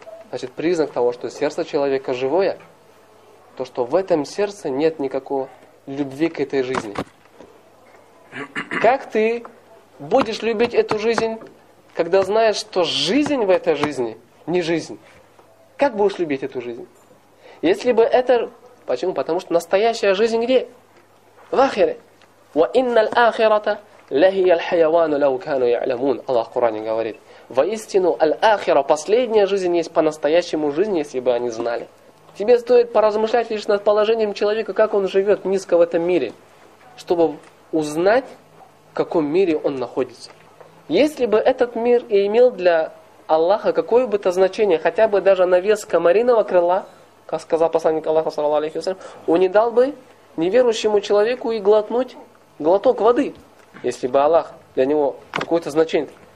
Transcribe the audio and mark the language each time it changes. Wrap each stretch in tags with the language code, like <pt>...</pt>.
<ru>Значит, признак того, что сердце человека живое, то, что в этом сердце нет никакого любви к этой жизни. Как ты будешь любить эту жизнь, когда знаешь, что жизнь в этой жизни не жизнь? Как будешь любить эту жизнь? Если бы это... Почему? Потому что настоящая жизнь где? В ахире.</ru> <ar>وَإِنَّ الْآخِرَةَ لَهِيَ الْحَيَوَانُ لَوْ كَانُوا يَعْلَمُونَ</ar> <ru>Аллах в Коране говорит. Воистину, аль-ахира, последняя жизнь есть по-настоящему жизнь, если бы они знали. Тебе стоит поразмышлять лишь над положением человека, как он живет низко в этом мире, чтобы узнать, в каком мире он находится. Если бы этот мир и имел для Аллаха какое бы то значение, хотя бы даже на вес комариного крыла, как сказал посланник Аллаха, саллаллаху алейхи ва саллям, он не дал бы неверующему человеку и глотнуть глоток воды, если бы Аллах для него какое-то значение.</ru>